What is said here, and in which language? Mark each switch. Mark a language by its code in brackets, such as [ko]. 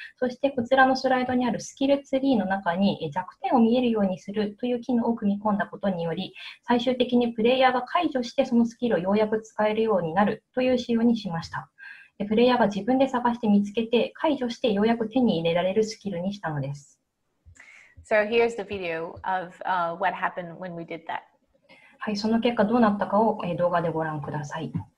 [ja] そしてこちらのスライドにあるスキルツリーの中に弱点を見えるようにするという機能を組み込んだことにより、最終的にプレイヤーが解除してそのスキルをようやく使えるようになるという仕様にしました。プレイヤーが自分で探して見つけて解除してようやく手に入れられるスキルにしたのです。 [en] So here's the video of what happened when we did that. [ja] はい、その結果どうなったかを動画でご覧ください。